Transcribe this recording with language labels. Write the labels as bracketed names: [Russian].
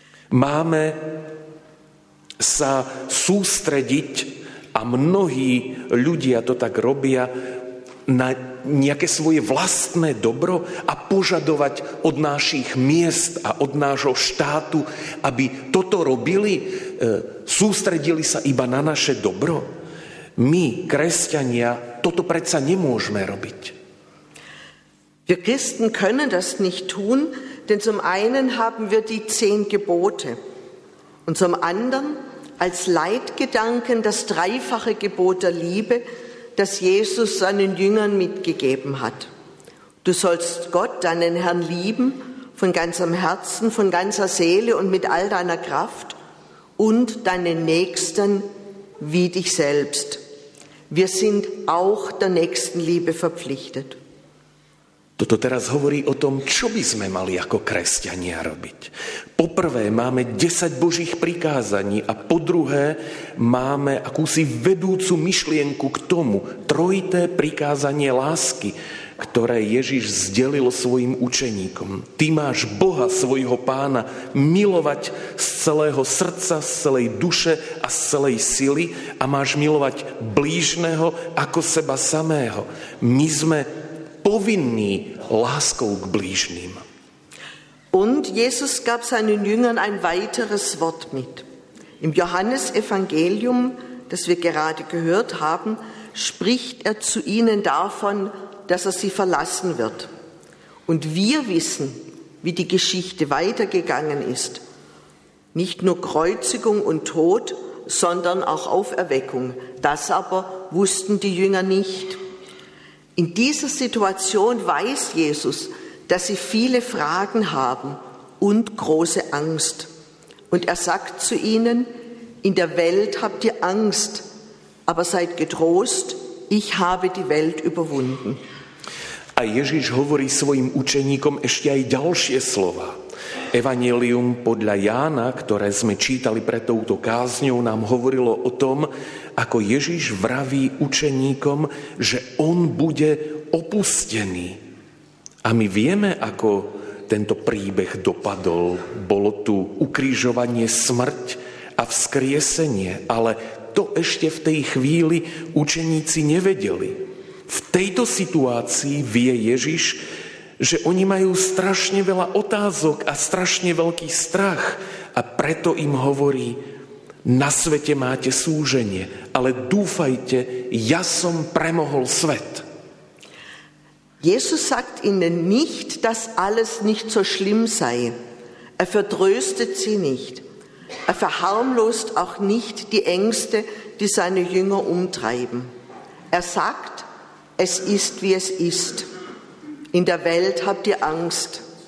[Slovak] Máme sa sústrediť, a mnohí ľudia to tak robia, na nejaké svoje vlastné dobro a požadovať od našich miest a od nášho štátu, aby toto robili, sústredili sa iba na naše dobro? My, kresťania, toto predsa nemôžeme robiť. [German] Wir Christen können das nicht tun, denn zum einen haben wir die 10 Gebote und zum anderen als Leitgedanken das dreifache Gebot der Liebe, das Jesus seinen Jüngern mitgegeben hat. Du sollst Gott, deinen Herrn, lieben, von ganzem Herzen, von ganzer Seele und mit all deiner Kraft und deinen Nächsten wie dich selbst. Wir sind auch der Nächstenliebe verpflichtet. [Slovak] Toto teraz hovorí o tom, čo by sme mali ako kresťania robiť. Poprvé máme 10 Božích prikázaní a po druhé máme akúsi vedúcu myšlienku k tomu, trojité prikázanie lásky, ktoré Ježiš zdelil svojim učeníkom. Ty máš Boha, svojho pána, milovať z celého srdca, z celej duše a z celej sily a máš milovať blížneho ako seba samého. My sme povinný láskou k blížnym. [German] Und Jesus gab seinen Jüngern ein weiteres Wort mit. Im Johannesevangelium, das wir gerade gehört haben, spricht er zu ihnen davon, dass er sie verlassen wird. Und wir wissen, wie die Geschichte weitergegangen ist. Nicht nur Kreuzigung und Tod, sondern auch Auferweckung. Das aber wussten die Jünger nicht. In dieser Situation weiß Jesus, dass sie viele Fragen haben und große Angst. Und er sagt zu ihnen, in der Welt habt ihr Angst, aber seid getrost, ich habe die Welt überwunden. [Slovak] A Ježiš hovorí svojim učeníkom ešte aj ďalšie slova. Evangelium podľa Jána, ktoré sme čítali pred touto kázňou, nám hovorilo o tom, ako Ježiš vraví učeníkom, že on bude opustený. A my vieme, ako tento príbeh dopadol. Bolo tu ukrižovanie, smrť a vzkriesenie, ale to ešte v tej chvíli učeníci nevedeli. V tejto situácii vie Ježiš, že oni majú strašne veľa otázok a strašne veľký strach a preto im hovorí, na svete máte súženie, ale dúfajte, ja som premohol svet. [German] Jesus sagt ihnen nicht, dass alles nicht so schlimm sei. Er vertröstet sie nicht. Er verharmlost auch nicht die Ängste, die seine Jünger umtreiben. Er sagt, es ist, wie es ist. In der Welt habt ihr Angst.